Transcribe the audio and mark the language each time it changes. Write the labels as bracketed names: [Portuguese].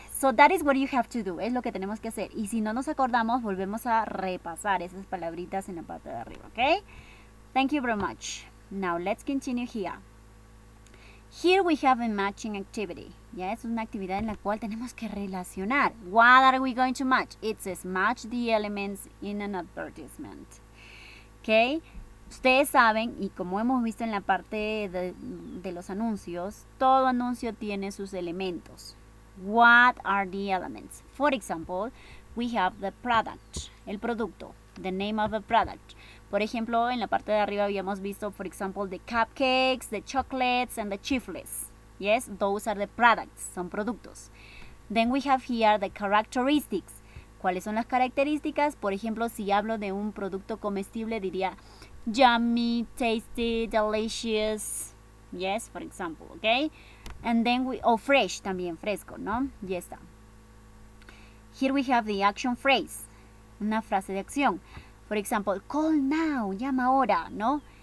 [English] So that is what you have to do, [Spanish] es lo que tenemos que hacer. Y si no nos acordamos, volvemos a repasar esas palabritas en la parte de arriba, ¿ok? [English] Thank you very much. Now, let's continue here. Here we have a matching activity. [Spanish] Ya es una actividad en la cual tenemos que relacionar. [English] What are we going to match? It says match the elements in an advertisement. Okay. [Spanish] Ustedes saben, y como hemos visto en la parte de los anuncios, todo anuncio tiene sus elementos. [English] What are the elements? For example, we have the product. [Spanish] El producto. [English] The name of the product. [Spanish] Por ejemplo, en la parte de arriba habíamos visto, [English] for example, the cupcakes, the chocolates, and the chifles. Yes, those are the products, [Spanish] son productos. [English] Then we have here the characteristics. [Spanish] ¿Cuáles son las características? Por ejemplo, si hablo de un producto comestible, diría yummy, tasty, delicious. [English] Yes, for example, okay? And then we, oh, fresh, [Spanish] también fresco, [English] ¿no? Ya está. Here we have the action phrase, [Spanish] una frase de acción. [English] For example, call now, [Spanish] llama ahora, [English] ¿no?